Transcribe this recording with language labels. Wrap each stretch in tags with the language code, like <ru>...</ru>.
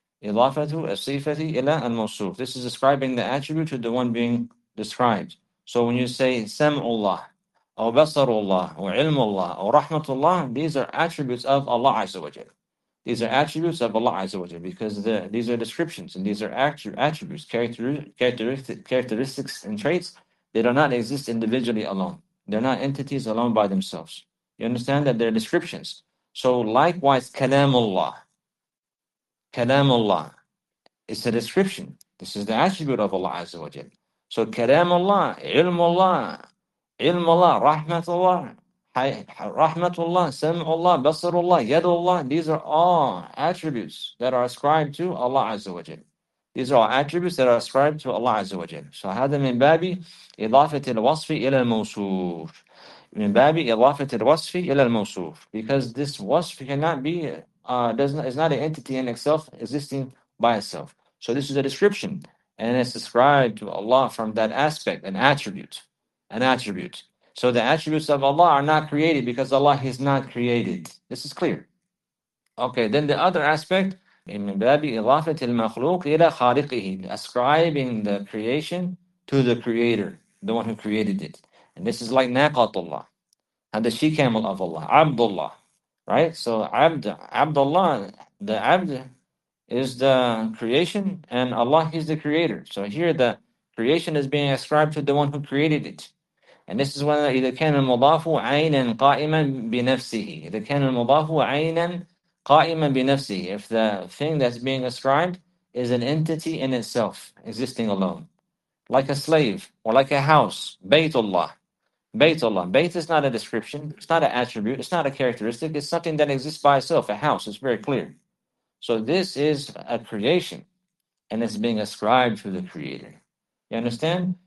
<ar>إضافة الصفة إلى الموصوف.</ar> <en>This is describing the attribute to the one being described. So when you say</en> <ar>سمع الله, أو بصر الله, أو علم الله, أو رحمة الله,</ar> <en>these are attributes of Allah عز وجل. These are attributes of Allah Azza wa Jalla because these are descriptions and these are attributes, characteristics and traits. They do not exist individually alone. They're not entities alone by themselves. You understand that they're descriptions. So likewise, Kalamullah. Kalamullah. It's a description. This is the attribute of Allah Azza wa Jalla. So Kalamullah, Ilmullah, Ilmullah, Rahmatullah. Rahmatullah, Sam'ullah, Basarullah, Yadullah, these are all attributes that are ascribed to Allah Azza wa Jal. These are all attributes that are ascribed to Allah Azza wa Jal.</en> <ar>So, هذا من باب إضافة الوصف إلى الموصوف. من باب إضافة الوصف إلى الموصوف.</ar> <en>Because this wasf cannot be, is not an entity in itself existing by itself. So, this is a description and it's ascribed to Allah from that aspect, an attribute. An attribute. So the attributes of Allah are not created because Allah is not created. This is clear. Okay, then the other aspect,</en> <ar>مِنْ بَابِ إِضَافَةِ الْمَخْلُوقِ إِلَى خَالِقِهِ,</ar> <en>ascribing the creation to the creator, the one who created it. And this is like</en> <ar>نَاقَةُ اللَّهِ,</ar> <en>and the she-camel of Allah, عَبْدُ اللَّهِ, right? So عَبْدُ اللَّهِ, the عَبْدُ is the creation and Allah is the creator. So here the creation is being ascribed to the one who created it. And this is when</en> <ar>إذا كان المضاف عينا قائما بنفسه. إذا كان المضاف عينا قائما بنفسه.</ar> <en>If the thing that's being ascribed is an entity in itself, existing alone. Like a slave or like a house.</en> <ar>بيت الله. بيت الله.</ar> <en>بيت is not a description. It's not an attribute. It's not a characteristic. It's something that exists by itself. A house. It's very clear. So this is a creation. And it's being ascribed to the creator. You understand?</en>